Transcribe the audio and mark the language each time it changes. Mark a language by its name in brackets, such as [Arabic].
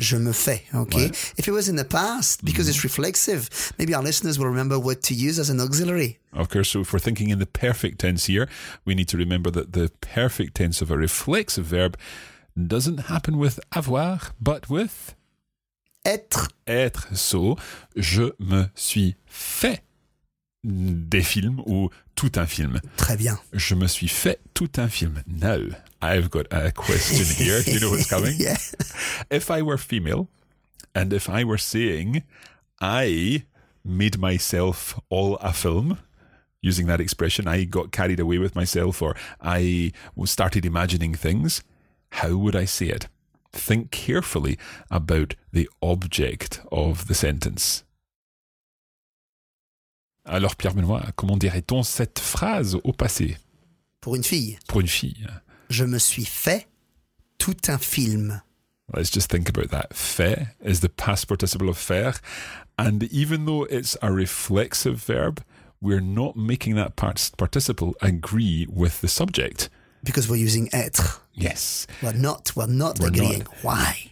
[French] Je me fais. Okay. Ouais. [English] If it was in the past, because mm-hmm. it's reflexive, maybe our listeners will remember what to use as an auxiliary. Okay. So if we're thinking in the perfect tense here, we need to remember that the perfect tense of a reflexive verb doesn't happen with avoir, but with [French] être. Être. So, je me suis fait des films ou tout un film. Très bien. Je me suis fait tout un film. [English] Now, I've got a question here. Do you know what's coming? Yeah. If I were female and if I were saying I made myself all a film, using that expression, I got carried away with myself or I started imagining things, how would I say it? Think carefully about the object of the sentence. [French] Alors, Pierre-Benoît, comment dirait-on cette phrase au passé? Pour une fille. Pour une fille. Je me suis fait tout un film. [English] Let's just think about that. Fait is the past participle of faire. And even though it's a reflexive verb, we're not making that past participle agree with the subject. Because we're using être. Yes. We're not agreeing. Not. Why?